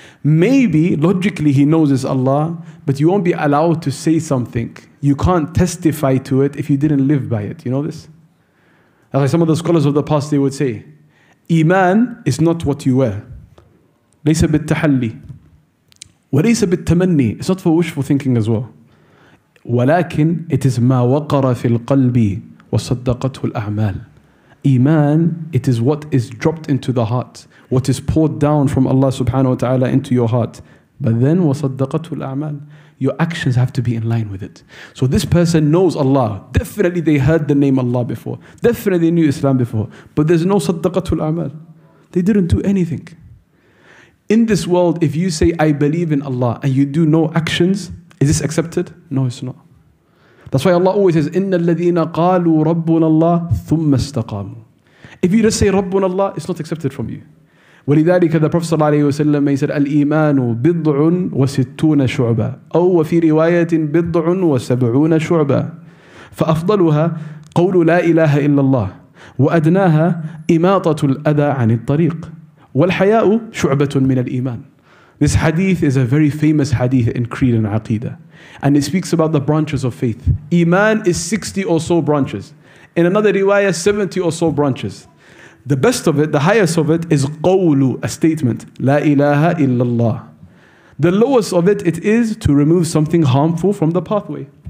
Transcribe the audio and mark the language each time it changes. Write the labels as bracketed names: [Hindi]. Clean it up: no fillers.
[English] Maybe, logically, he knows it's Allah, but you won't be allowed to say something. You can't testify to it if you didn't live by it. You know this? Like some of the scholars of the past, they would say, Iman is not what you wear. [Arabic] لَيْسَ بِالتَّحَلِّي وَلَيْسَ بِالتَّمَنِّي. [English] It's not for wishful thinking as well. [Arabic] وَلَكِنْ [English] it is [Arabic] مَا وَقَرَ فِي الْقَلْبِ وَصَدَّقَتْهُ الْأَعْمَالِ. [English] Iman, it is what is dropped into the heart, what is poured down from Allah subhanahu wa ta'ala into your heart. But then, [Arabic] وَصَدَّقَتُ الْأَعْمَالِ, [English] your actions have to be in line with it. So this person knows Allah. Definitely they heard the name Allah before. Definitely they knew Islam before. But there's no [Arabic] صَدَّقَتُ الْأَعْمَالِ. [English] They didn't do anything. In this world, if you say, I believe in Allah, and you do no actions, is this accepted? No, it's not. That's why Allah always says, [Arabic] إِنَّ الَّذِينَ قَالُوا رَبُّنَ اللَّهِ ثُمَّ اسْتَقَامُوا. [English] If you just say [Arabic] رَبُّنَ اللَّهِ, [English] it's not accepted from you. [Arabic] وَلِذَلِكَ [English] the Prophet [Arabic] صلى الله عليه وسلم [English] may said, [Arabic] الْإِيمَانُ بِضْعٌ وَسِتُّونَ شُعْبًا أو وَفِي رِوَايَةٍ بِضْعٌ وَسَبْعُونَ شُعْبًا فَأَفْضَلُهَا قَوْلُ لَا إِلَهَ إِلَّا اللَّهِ وَأَدْنَاهَا إِمَاطَةُ الْأَذَى عَنِ الطَّرِيقِ وَالْحَيَاءُ شُعْبَةٌ مِنَ الْإِيمَانِ. [English] This hadith is a very famous hadith in Creed and Aqidah. And it speaks about the branches of faith. Iman is 60 or so branches. In another riwayah, 70 or so branches. The best of it, the highest of it, is qawlu, a statement. La ilaha illallah. The lowest of it, it is to remove something harmful from the pathway.